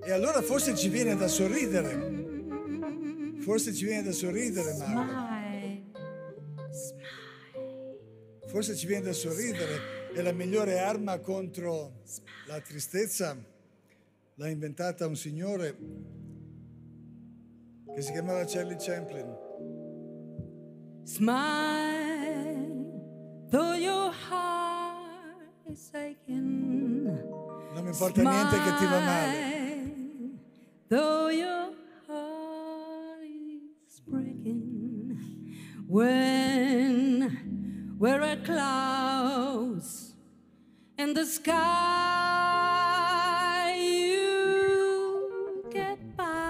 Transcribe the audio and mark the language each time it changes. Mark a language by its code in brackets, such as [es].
[it] E allora forse ci viene da sorridere, forse ci viene da sorridere, Marco. Forse ci viene da sorridere, è la migliore arma contro la tristezza. L'ha inventata un signore che si chiamava Charlie Chaplin. [en] Smile, though your heart is aching. [it] Non mi importa niente che ti va male. [en] Though your heart is breaking. When where are clouds in the sky, you get by.